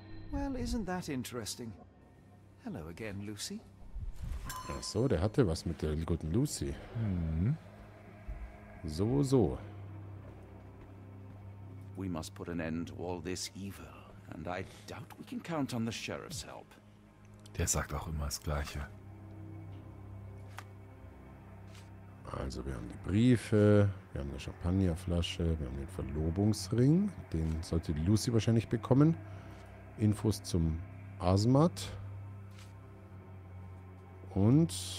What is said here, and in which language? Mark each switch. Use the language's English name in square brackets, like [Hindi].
[English] Well, isn't that interesting? Hello again, Lucy. [German] Ach so, der hatte was mit der guten Lucy. Mhm. So, so. [English] We must put an end to all this evil, and I doubt we can count on the sheriff's help. [German] Der sagt auch immer das Gleiche. Also, wir haben die Briefe, wir haben eine Champagnerflasche, wir haben den Verlobungsring. Den sollte Lucy wahrscheinlich bekommen. Infos zum Asmat. Und